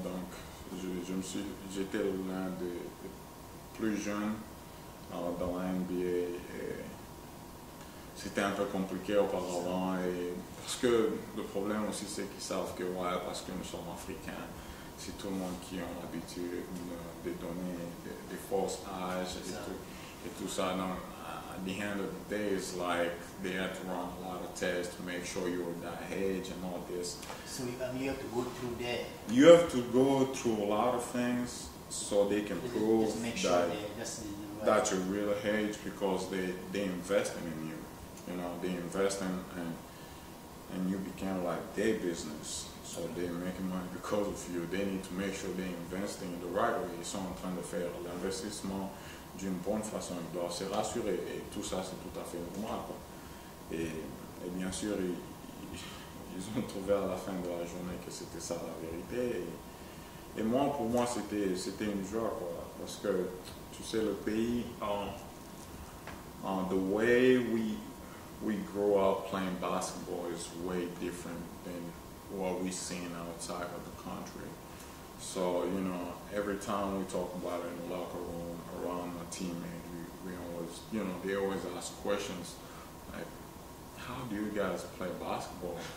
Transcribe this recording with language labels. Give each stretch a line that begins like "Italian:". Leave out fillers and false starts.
French: Donc j'étais l'un des plus jeunes dans la NBA. C'était un peu compliqué auparavant, et parce que le problème aussi c'est qu'ils savent que ouais, parce que nous sommes africains, c'est tout le monde qui a l'habitude de donner des forces âges et tout ça. Donc,
English: at the end of the day, it's like they have to run a lot of tests to make sure you're that age and all this. So you have to go through that? You have to go through a lot of things so they can prove just make sure that you're real age, because they investing in you. You know, they investing and you became like their business. So they're making money because of you. They need to make sure they're investing in the right way.
French: Ils sont en train de faire l'investissement d'une bonne façon. Ils doivent se rassurer. Et tout ça, c'est tout à fait normal, quoi. Et bien sûr, ils ont trouvé à la fin de la journée que c'était ça la vérité. Et moi, pour moi, c'était une joie, quoi. Parce que, tu sais, le pays,
English: the way we grow up playing basketball is way different than what we've seen outside of the country. So, you know, every time we talk about it in the locker room, around my teammate, we always, you know, they always ask questions like, how do you guys play basketball?